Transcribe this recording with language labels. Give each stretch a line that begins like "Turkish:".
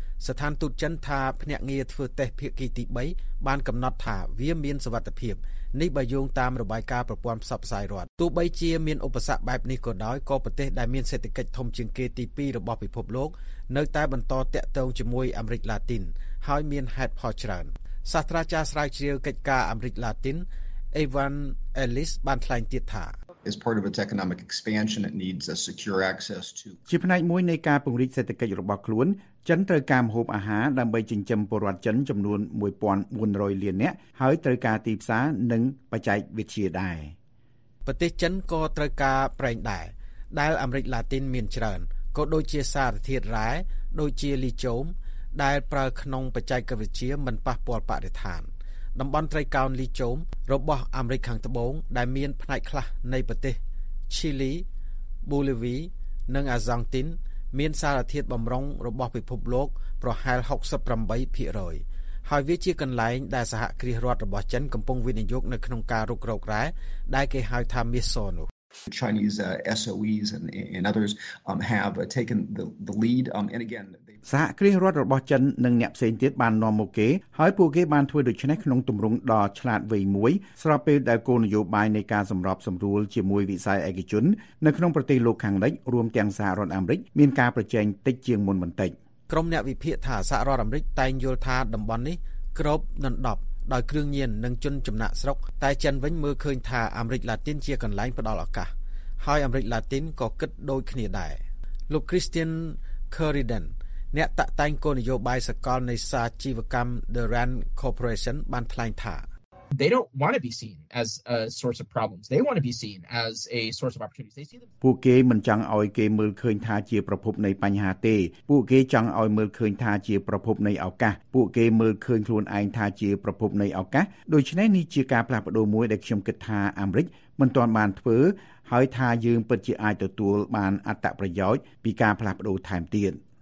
Khmer: ស្ថានទូតចិនថាភ្នាក់ងារធ្វើតេស្តភាគីទី3បានកំណត់ថាវាមានសុវត្ថិភាពនេះបើយោងតាមរបាយការណ៍ប្រព័ន្ធផ្សព្វផ្សាយរដ្ឋទោះបីជាមានឧបសគ្គបែបនេះក៏ដោយក៏ប្រទេសដែលមានសេដ្ឋកិច្ចធំជាងគេទី2របស់ពិភពលោកនៅតែបន្តតាក់ទងជាមួយអាមេរិកឡាទីនហើយមានហេតុផលច្រើនសាស្ត្រាចារ្យស្រាវជ្រាវកិច្ចការអាមេរិកឡាទីនEvan Ellis បានថ្លែងទៀតថា
English: As part of its economic expansion it needs a secure access to
Khmer: ជាផ្នែកមួយនៃការពង្រីកសេដ្ឋកិច្ចរបស់ខ្លួនចិនត្រូវការម្ហូបអាហារដើម្បីចិញ្ចឹមពលរដ្ឋចិនចំនួន 1,400 លាននាក់ហើយត្រូវការទីផ្សារនិងបច្ចេកវិទ្យាដែរ ប្រទេសចិនក៏ត្រូវការប្រេងដែរដែលអាមេរិកឡាទីនមានច្រើនក៏ដូចជាសារធាតុរ៉ែដូចជាលីធូមដែលប្រើក្នុងបច្ចេកវិទ្យាមិនប៉ះពាល់បរិស្ថានតំបន់ត្រីកោណលីជូមរបស់អាមេរិកខាងត្បូងដែលមានផ្នែកខ្លះនៃប្រទេសឈីលីប៊ូលីវីនិងអាសង់ទីនមានសារធាតុបំរុងរបស់ពិភពលោកប្រហែល 68% ហើយវាជាកន្លែងដែលសហគ្រាសរដ្ឋរបស់ចិនកំពុងវិនិយោគនៅក្នុងការរុករករ៉ែដែលគេហៅថាមាសសនោះ
English: Chinese SOEs and others have taken the lead and again
Khmer: សហគ្រាសរដ្ឋរបស់ចិននិងអ្នកផ្សេងទៀតបាននាំមកគេហើយពួកគេបានធ្វើដូច្នេះក្នុងទម្រង់ដ៏ឆ្លាតវៃមួយស្របពេលដែលគោលនយោបាយនៃការសម្របសម្រួលជាមួយវិស័យឯកជននៅក្នុងប្រទេសលោកខាងលិចរួមទាំងសហរដ្ឋអាមេរិកមានការប្រជែងតិចជាងមុនបន្តិច ក្រុមអ្នកវិភាគថាសហរដ្ឋអាមេរិកតែងយល់ថាតំបន់នេះគ្របដណ្ដប់ដោយគ្រឿងញៀននិងជនចំណាក់ស្រុកតែចិនវិញមើលឃើញថាអាមេរិកឡាទីនជាកន្លែងផ្ដល់ឱកាសហើយអាមេរិកឡាទីនក៏គិតដូចគ្នាដែរលោក Christian Curridan អ្នកតាក់តែងគោលនយោបាយសកលនៃសាជីវកម្ម The Rand Corporation បានថ្លែងថា
English: They don't want to be seen as a source of problems. They want to be seen as a source of opportunities. They see them
Khmer: ពួកគេមិនចង់ឲ្យគេមើលឃើញថាជាប្រភពនៃបញ្ហាទេពួកគេចង់ឲ្យមើលឃើញថាជាប្រភពនៃឱកាសពួកគេមើលឃើញខ្លួនឯងថាជាប្រភពនៃឱកាសដូច្នេះនេះជាការផ្លាស់ប្ដូរមួយដែលខ្ញុំគិតថាអាមេរិកមិនទាន់បានធ្វើហើយថាយើងពិតជាអាចទទួលបានអត្ថប្រយោជន៍ពីការផ្លាស់ប្ដូរថែមទៀត